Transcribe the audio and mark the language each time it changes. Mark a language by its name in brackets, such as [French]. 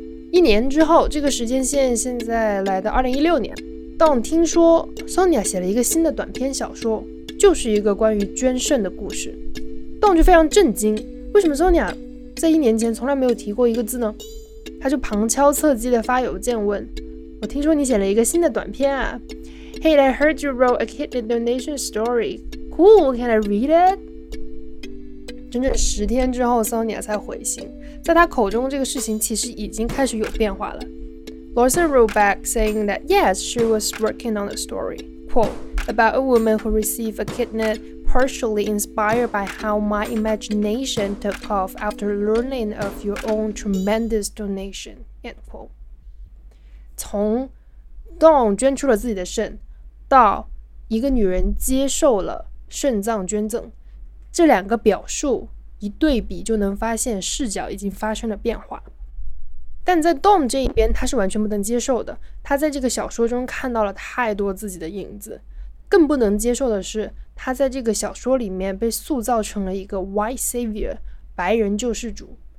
[Chinese] 一年之后，这个时间线现在来到2016年，Don 听说 Sonia 写了一个新的短篇小说，就是一个关于捐肾的故事。 Don 就非常震惊，为什么 Sonia 在一年前从来没有提过一个字呢？他就旁敲侧击的发邮件问：“我听说你写了一个新的短篇啊。” [English] Hey, I heard you wrote a kidney donation story. Cool, can I read it? [Chinese] 整整十天之后 Sonia 才回信，在他口中这个事情其实已经开始有变化了。 [English] Larsa wrote back saying that yes, she was working on a story, quote, about a woman who received a kidney partially inspired by how my imagination took off after learning of your own tremendous donation, end quote. [Chinese] 从 Dawn 捐出了自己的肾到一个女人接受了肾脏捐赠，这两个表述一对比就能发现视角已经发生了变化。但在 Dom 这一边，他是完全不能接受的，他在这个小说中看到了太多自己的影子，更不能接受的是他在这个小说里面被塑造成了一个 white savior 白人救世主。